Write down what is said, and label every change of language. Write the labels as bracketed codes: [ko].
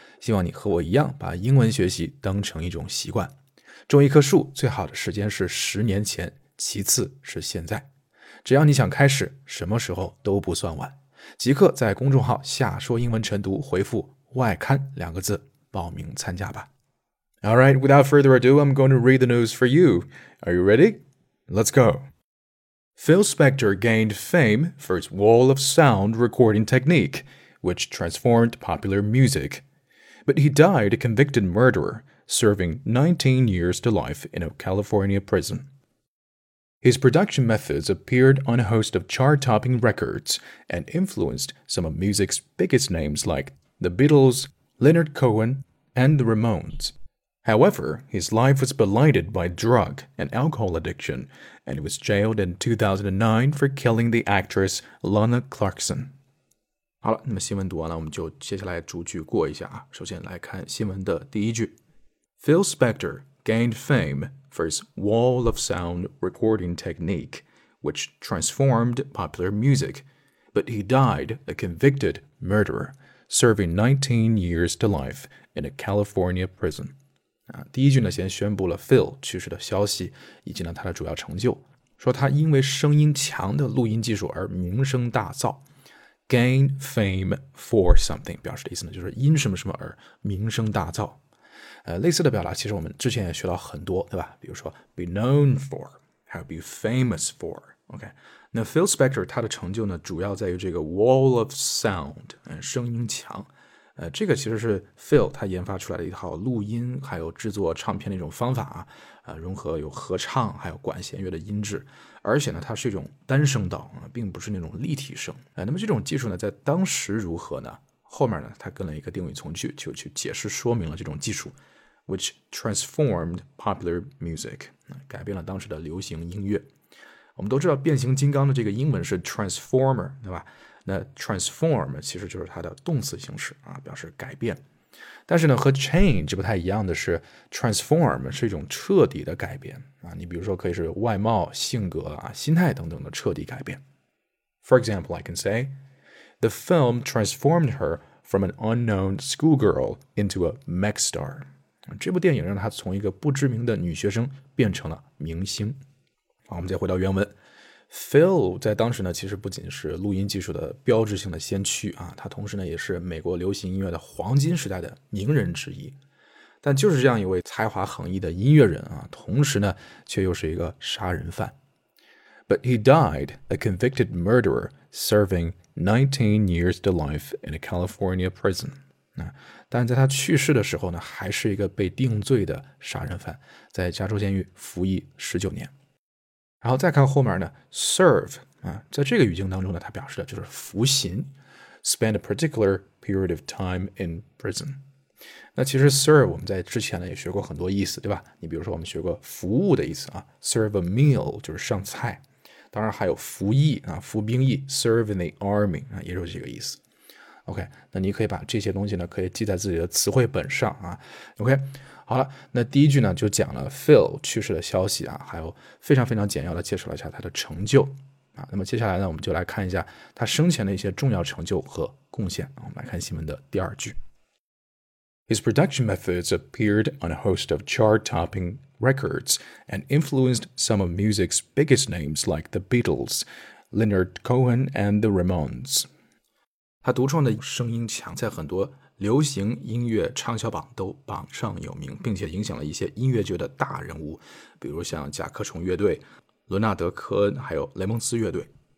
[zh] 希望你和我一样把英文学习当成一种习惯。种一棵树最好的时间是十年前，其次是现在。只要你想开始，什么时候都不算晚。即刻在公众号下说英文晨读回复外刊两个字报名参加吧。 [en] All right, without further ado, I'm going to read the news for you. Are you ready? Let's go. Phil Spector gained fame for his wall of sound recording technique, which transformed popular music. But he died a convicted murderer, serving 19 years to life in a California prison. His production methods appeared on a host of chart-topping records and influenced some of music's biggest names like The Beatles, Leonard Cohen, and The Ramones. However, his life was blighted by drug and alcohol addiction, and he was jailed in 2009 for killing the actress Lana Clarkson. [zh] 好了，那么新闻读完了，我们就接下来逐句过一下啊。首先来看新闻的第一句。 [en] Phil Spector gained fame for his wall of sound recording technique, which transformed popular music, but he died a convicted murderer, serving 19 years to life in a California prison. [zh] 第一句呢先宣布了 Phil 去世的消息以及呢他的主要成就，说他因为声音强的录音技术而名声大噪。 [en] Gain fame for something [zh] 表示的意思呢就是因什么什么而名声大噪。类似的表达其实我们之前也学到很多，对吧？比如说 [en] be known for [zh] 还有 [en] be famous for、okay? [zh] 那 Phil Spector 他的成就呢主要在于这个 wall of sound、声音墙。这个其实是 Phil 他研发出来的一套录音还有制作唱片的一种方法啊，融合有合唱还有管弦乐的音质，而且呢它是一种单声道啊，并不是那种立体声。那么这种技术呢在当时如何呢？后面呢他跟了一个定语从句，就去解释说明了这种技术 [en] which transformed popular music， [zh] 改变了当时的流行音乐。我们都知道变形金刚的这个英文是 transformer， 对吧？那 transform 其实就是它的动词形式啊，表示改变。但是呢和 change 不太一样的是 transform 是一种彻底的改变啊，你比如说可以是外貌、性格啊、心态等等的彻底改变。 [en] For example, I can say, the film transformed her from an unknown schoolgirl into a mega star. [zh] 这部电影让她从一个不知名的女学生变成了明星。好，我们再回到原文。 Phil 在当时呢其实不仅是录音技术的标志性的先驱啊，他同时呢也是美国流行音乐的黄金时代的名人之一。但就是这样一位才华横溢的音乐人啊，同时呢却又是一个杀人犯。 [en] But he died a convicted murderer serving 19 years to life in a California prison. [zh] 但在他去世的时候呢，还是一个被定罪的杀人犯，在加州监狱服役19年。然后再看后面呢 serve、在这个语境当中呢，他表示的就是服刑 [en] spend a particular period of time in prison。 [zh] 那其实 serve 我们在之前呢也学过很多意思，对吧？你比如说我们学过服务的意思啊， [en] serve a meal [zh] 就是上菜，当然还有服役啊，服兵役 [en] serve in the army、 [zh] 也就是这个意思。 OK， 那你可以把这些东西呢可以记在自己的词汇本上啊。 OK， 好了，那第一句呢就讲了 Phil 去世的消息啊，还有非常非常简要的介绍了一下他的成就啊。那么接下来呢我们就来看一下他生前的一些重要成就和贡献。我们来看新闻的第二句。 [en] His production methods appeared on a host of chart-topping records and influenced some of music's biggest names like the Beatles, Leonard Cohen and the Ramones. [zh] 他独创的声音墙在很多流行音乐畅销榜都榜上有名，并且影响了一些音乐界的大人物，比如像甲壳虫乐队、伦纳德·科恩，还有雷蒙斯乐队。